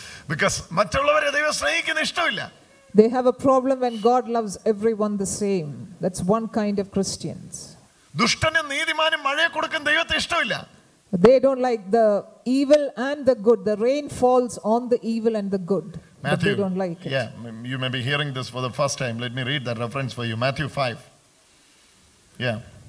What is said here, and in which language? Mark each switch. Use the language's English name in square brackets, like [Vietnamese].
[English] Because [Malayalam] മറ്റുള്ളവരെ ദൈവം സ്നേഹിക്കുന്ന ഇഷ്ടമില്ല. [English] They have a problem when God loves everyone the same. That's one kind of Christians. [Malayalam] ദുഷ്ടനും നീതിമാനും മഴയെ കൊടുക്കുന്ന ദൈവത്തെ ഇഷ്ടമില്ല. [English] They don't like the evil and the good. The rain falls on the evil and the good. Matthew, they don't like it. Yeah, you may be hearing this for the first time. Let me read that reference for you. Matthew 5. Yeah.